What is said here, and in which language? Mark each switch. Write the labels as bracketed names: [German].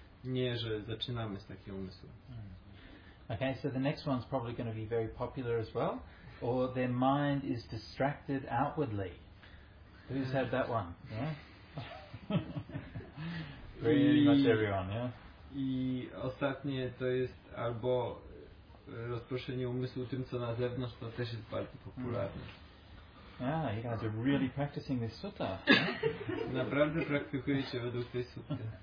[Polish] Nie, że zaczynamy z takim umysłem. [English] Okay, so the next one's probably going to be very popular as well. Or their mind is distracted outwardly. Who's had that one? Yeah? Pretty much everyone, yeah? [Polish] I ostatnie to jest albo rozproszenie umysłu tym, co na zewnątrz, to też jest bardzo popularne. [English] Yeah, you guys are really practicing this sutta. [Polish] Naprawdę praktykujecie według tej sutty.